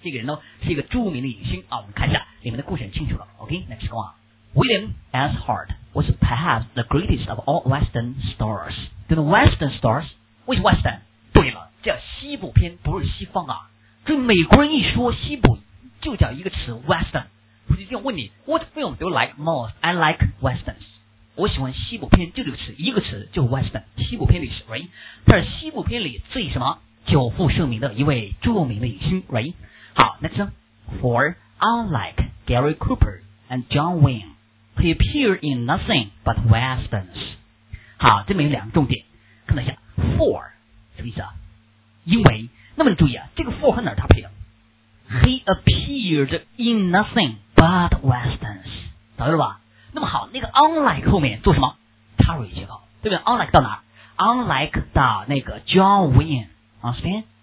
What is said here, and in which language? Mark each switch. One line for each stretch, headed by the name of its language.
Chinese: 这个人呢是一个著名的影星啊，我们看一下。里面的故事很清楚了 ，OK， 那继续啊。
English: William S. Hart was perhaps the greatest of all Western stars. The Western stars, which Western?
Chinese: 对了，叫西部片，不是西方啊。这美国人一说西部，就叫一个词 Western。我就想问你
English: ，What film do you like most? I like westerns.
Chinese: 我喜欢西部片，就这个词，一个词就 Western， 西部片里是 Right。他是西部片里最什么久负盛名的一位著名的影星 ，Right。
English: 好 ，next four。 Unlike Gary Cooper and John Wayne, he appeared in nothing but westerns.
Chinese: 好，这边有两个重点，看到一下 ，for 什么意思啊？因为，那么注意啊，这个 for 和哪儿搭配啊 ？
English: He appeared in nothing but westerns，
Chinese: 懂了吧？那么好，那个 unlike 后面做什么？他有一些好，对不对 ？Unlike 到哪儿 ？Unlike 到那个 John Wayne，understand？